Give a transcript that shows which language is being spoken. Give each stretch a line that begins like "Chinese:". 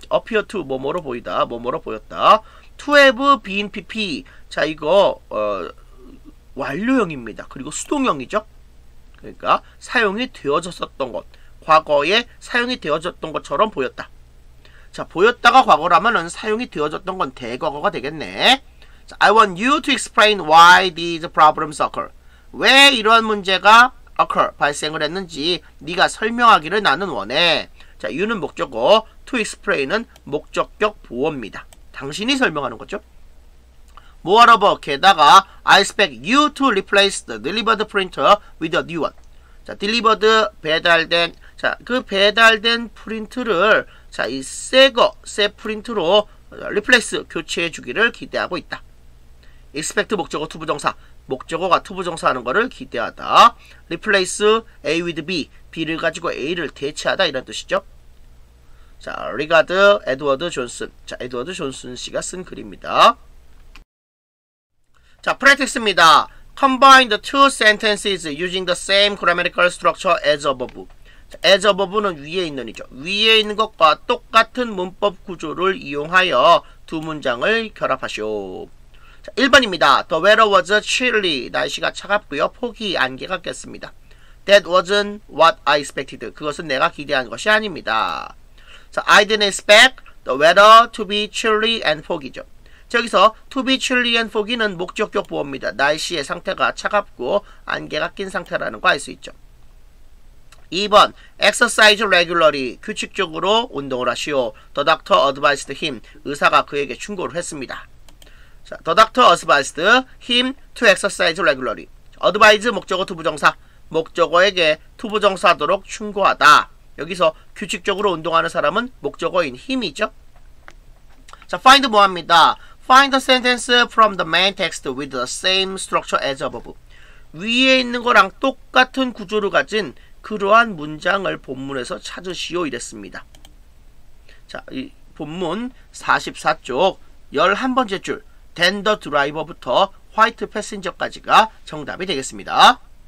English: appear to,
Korean: 뭐뭐로 보이다, 뭐뭐로 보였다.
English: to have been pp.
Korean: 자, 이거 완료형입니다. 그리고 수동형이죠. 그러니까 사용이 되어졌었던 것, 과거에 사용이 되어졌던 것처럼 보였다. 자, 보였다가 과거라면은 사용이 되어졌던 건 대과거가 되겠네.
English: 자, I want you to explain why these problems occur.
Korean: 왜 이런 문제가 occur, 발생을 했는지 네가 설명하기를 나는 원해. 자, you는 목적어, to explain은 목적격 보호입니다. 당신이 설명하는 거죠.
English: Moreover,
Korean: 게다가
English: I expect you to replace the delivered printer with a new one.
Korean: 자, delivered, 배달된, 자, 그 배달된 프린트를, 자, 이 새 거, 새 프린트로 replace, 교체해 주기를 기대하고 있다. expect 목적어 to 부정사, 목적어가 to 부정사 하는 거를 기대하다.
English: replace A with B,
Korean: B를 가지고 A를 대체하다, 이런 뜻이죠. 자, regard Edward Johnson, 자, Edward Johnson 씨가 쓴 글입니다. 자, 프랙티스입니다.
English: Combine the two sentences using the same grammatical structure as above.
Korean: As above는 위에 있는 이죠. 위에 있는 것과 똑같은 문법 구조를 이용하여 두 문장을 결합하시오. 자, 1번입니다.
English: The weather was chilly.
Korean: 날씨가 차갑고요. 폭이 안개가 꼈습니다.
English: That wasn't what I expected.
Korean: 그것은 내가 기대한 것이 아닙니다.
English: 자, I didn't expect the weather to be chilly and foggy죠.
Korean: 여기서 to be chilly and foggy는 목적격 보호입니다. 날씨의 상태가 차갑고 안개가 낀 상태라는 거 알 수 있죠. 2번,
English: exercise regularly,
Korean: 규칙적으로 운동을 하시오.
English: The doctor advised him,
Korean: 의사가 그에게 충고를 했습니다.
English: 자, the doctor advised him to exercise regularly.
Korean: advise 목적어 to 부정사, 목적어에게 to 부정사하도록 충고하다. 여기서 규칙적으로 운동하는 사람은 목적어인 him이죠. 자, find 뭐합니다.
English: Find the sentence from the main text with the same structure as above.
Korean: 위에 있는 거랑 똑같은 구조를 가진 그러한 문장을 본문에서 찾으시오, 이랬습니다. 자, 이 본문 44쪽 11번째 줄, then the driver부터 white passenger까지가 정답이 되겠습니다.